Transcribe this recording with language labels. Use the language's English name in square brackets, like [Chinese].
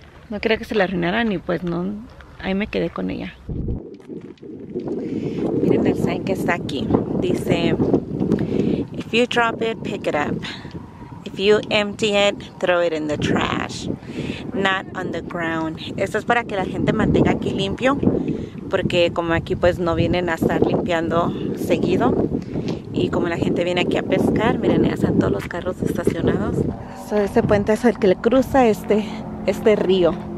[Spanish] No quería que se la arruinaran y pues no. Ahí me quedé con ella. Miren el sign que está aquí. Dice, [English] if you drop it, pick it up. If you empty it, throw it in the trash. Not on the ground. [Spanish] Esto es para que la gente mantenga aquí limpio. Porque como aquí pues no vienen a estar limpiando seguido. Y como la gente viene aquí a pescar, miren, ya están todos los carros estacionados. So, ese puente es el que le cruza este río.